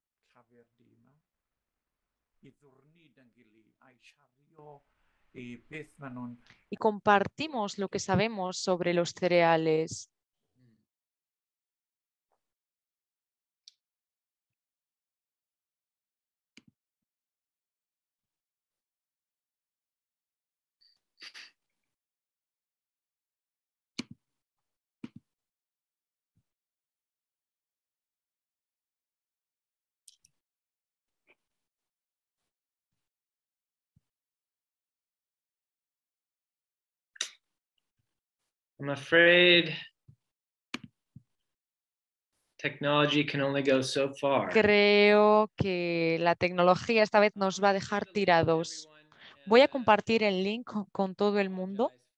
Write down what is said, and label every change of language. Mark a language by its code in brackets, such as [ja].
[es] llafur di yma i ddwrnid yn gilydd a'i siario i beth maen nhw'n... Y compartimos lo que sabemos sobre los cereales. [en] I'm afraid technology can only go so far. [es] Creo que la tecnología esta vez nos va a dejar tirados. Voy a compartir el link con todo el mundo.